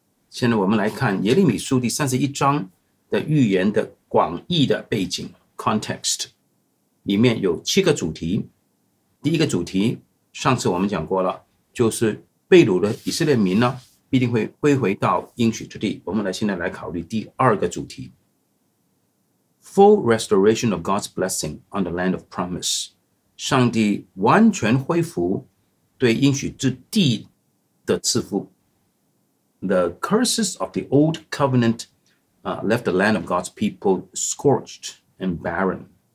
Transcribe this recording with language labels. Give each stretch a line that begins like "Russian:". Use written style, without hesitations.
Chinese: 现在我们来看耶利米书第三十一章的预言的广义的背景 ,Context, 里面有七个主题。第一个主题，上次我们讲过了，就是被掳的以色列民呢必定会归回到应许之地。我们来现在来考虑第二个主题。
English: Full restoration of God's blessing on the land of promise.
Chinese: 上帝完全恢复对应许之地的赐福。
English: The curses of the old covenant, left the land of God's people scorched and barren.